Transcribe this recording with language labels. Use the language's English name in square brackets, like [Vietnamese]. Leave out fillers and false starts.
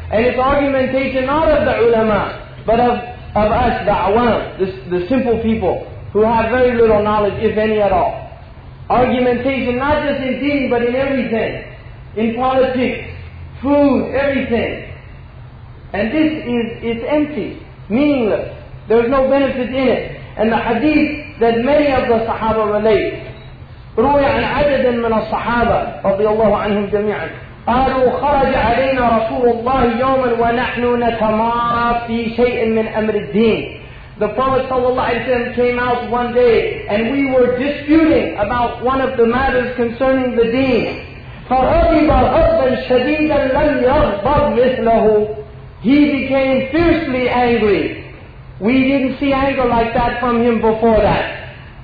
[English] And it's argumentation not of the ulama, but of us, the awam, the simple people, who have very little knowledge, if any at all. Argumentation, not just in deen, but in everything. In politics, food, everything. And this is empty, meaningless. There's no benefit in it. And the hadith that many of the Sahaba relate, [Arabic] رُوِيَ عَنْ عَدَدًا مِنَ الصَّحَابَةِ رَضِيَ اللَّهُ عَنْهُمْ جَمِيعًا قَالُوا خَرَجَ عَلَيْنَا رَسُولُ اللَّهِ يَوْمًا وَنَحْنُ نَتَمَارَى فِي شَيْءٍ مِنْ أَمْرِ الدِّينِ. [English] The Prophet sallallahu alayhi wa sallam came out one day and we were disputing about one of the matters concerning the deen. [Arabic] فَغَضِبَ غَضًا شَدِيدًا لَمْ يَغْضَبْ مِثْلَهُ. [English] He became fiercely angry. We didn't see anger like that from him before that.